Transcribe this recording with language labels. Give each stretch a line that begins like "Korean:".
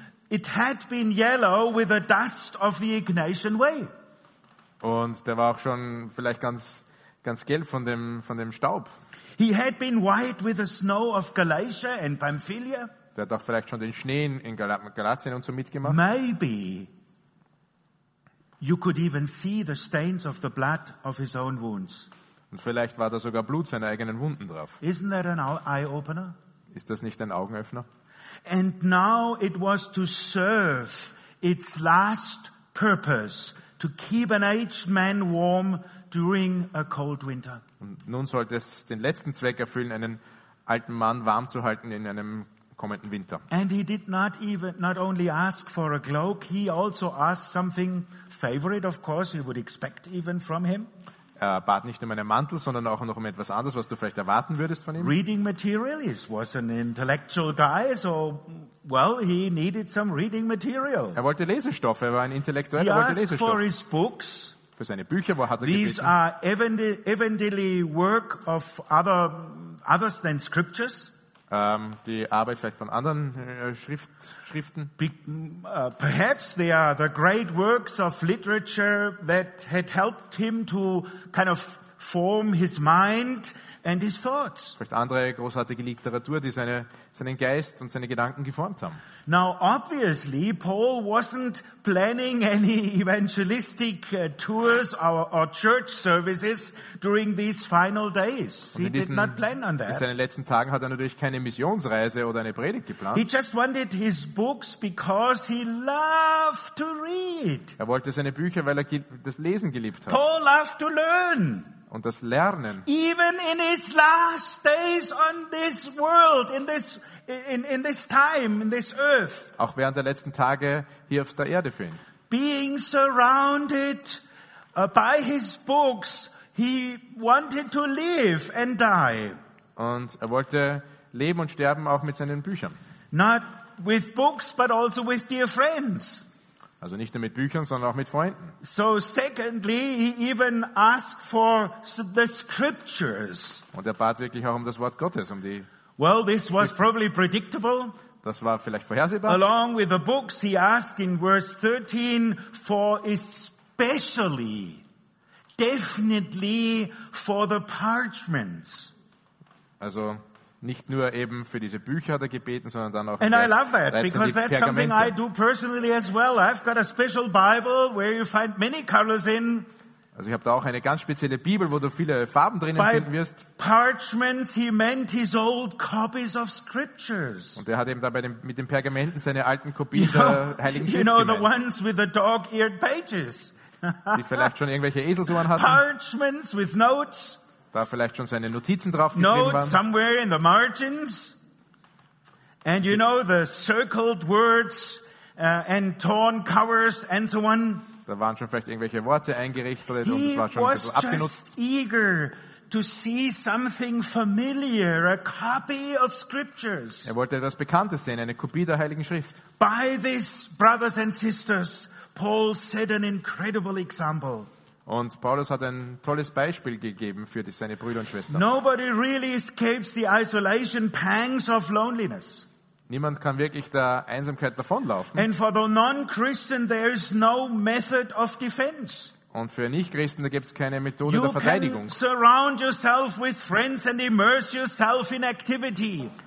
English: It had been yellow with the dust of the Ignatian Way.
German: Und der war auch schon vielleicht ganz gelb von dem Staub.
English: He had been white with the snow of Galatia and Pamphylia.
German: Der hat doch vielleicht schon den Schnee in Galatien und so mitgemacht.
English: Maybe you could even see the stains of the blood of his own wounds.
German: Und vielleicht war da sogar Blut seiner eigenen Wunden drauf.
English: Isn't that an eye opener?
German: Ist das nicht ein Augenöffner?
English: And now it was to serve its last purpose, to keep an aged man warm during a cold winter.
German: Und nun sollte es den letzten Zweck erfüllen, einen alten Mann warm zu halten in einem kommenden Winter.
English: And he did not only ask for a cloak, he also asked something favorite, of course, you would expect even from him.
German: Er bat nicht nur um einen Mantel, sondern auch noch um etwas anderes, was du vielleicht erwarten würdest von ihm.
English: Reading material, he was an intellectual guy, so, well, he needed some reading material.
German: Er wollte Lesestoff, er war ein Intellektueller, er wollte Lesestoff.
English: He asked for his books.
German: Für seine Bücher, wo hat er
English: These
German: gebeten?
English: Are evidently work of others than scriptures.
German: Die Arbeit vielleicht von anderen Schriften.
English: Perhaps they are the great works of literature that had helped him to kind of form his mind and his thoughts.
German: Vielleicht andere großartige Literatur, die seinen Geist und seine Gedanken geformt haben.
English: Now obviously Paul wasn't planning any evangelistic tours or church services during these final days. He did not plan on that.
German: In seinen letzten Tagen hat er natürlich keine Missionsreise oder eine Predigt geplant.
English: He just wanted his books because he loved to read.
German: Er wollte seine Bücher, weil er das Lesen geliebt hat.
English: Paul loved to learn.
German: Und das Lernen.
English: Even in his last days on this world, in this time, in this earth.
German: Auch während der letzten Tage hier auf der Erde für ihn.
English: Being surrounded by his books, he wanted to live and die.
German: Und er wollte leben und sterben auch mit seinen Büchern.
English: Not with books, but also with dear friends.
German: Also nicht nur mit Büchern, sondern auch mit Freunden.
English: So secondly, he even asked for the scriptures.
German: Und er bat wirklich auch um das Wort Gottes, um die.
English: Well, this was probably predictable.
German: Das war vielleicht vorhersehbar.
English: Along with the books, he asked in verse 13 for especially, definitely for the parchments.
German: Also nicht nur eben für diese Bücher hat er gebeten, sondern dann auch
English: And I love that, because that's something I do personally as well. I've got a special Bible where you find many colors in.
German: Also ich habe da auch eine ganz spezielle Bibel, wo du viele Farben drinnen
English: By
German: finden wirst.
English: Parchments, he meant his old copies of scriptures.
German: Und er hat eben da mit den Pergamenten seine alten Kopien der Heiligen Schrift gemeint.
English: You know, the ones with the dog-eared pages.
German: Die vielleicht schon irgendwelche Eselsohren hatten.
English: Parchments with notes.
German: Da vielleicht schon seine Notizen drauf geschrieben waren.
English: Notes somewhere in the margins. And you know, the circled words and torn covers and so on.
German: Da waren schon vielleicht irgendwelche Worte eingerichtet und es war schon ein bisschen abgenutzt.
English: He was eager to see something familiar, a copy of scriptures.
German: Er wollte etwas Bekanntes sehen, eine Kopie der Heiligen Schrift.
English: By this, brothers and sisters, Paul set an incredible example.
German: Und Paulus hat ein tolles Beispiel gegeben für seine Brüder und Schwestern.
English: Nobody really escapes the isolation pangs of loneliness.
German: Niemand kann wirklich der Einsamkeit davonlaufen.
English: And for the non-Christian, there is no method of defense.
German: Und für Nichtchristen, da gibt es keine Methode der Verteidigung.
English: You can surround yourself with friends and immerse yourself in activity.